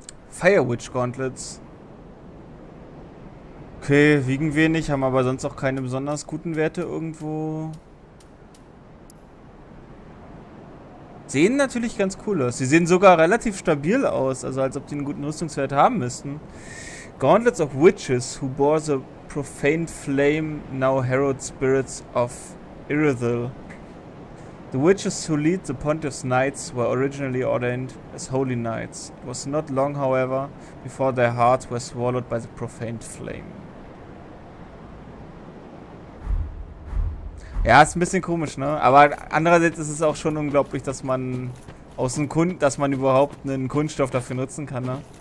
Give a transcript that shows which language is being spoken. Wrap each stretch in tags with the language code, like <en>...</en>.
<en>Firewitch Gauntlets.</en> <de>Okay, wiegen wenig, haben aber sonst auch keine besonders guten Werte irgendwo. Sehen natürlich ganz cool aus. Sie sehen sogar relativ stabil aus, also als ob die einen guten Rüstungswert haben müssten.</de> <en>Gauntlets of Witches, who bore the profaned flame, now herald spirits of Irithyll. The witches who lead the Pontiff's Knights were originally ordained as holy knights. It was not long, however, before their hearts were swallowed by the profaned flame.</en> <de>Ja, ist ein bisschen komisch, ne? Aber andererseits ist es auch schon unglaublich, dass man aus dem Kunst, dass man überhaupt einen Kunststoff dafür nutzen kann, ne?</de>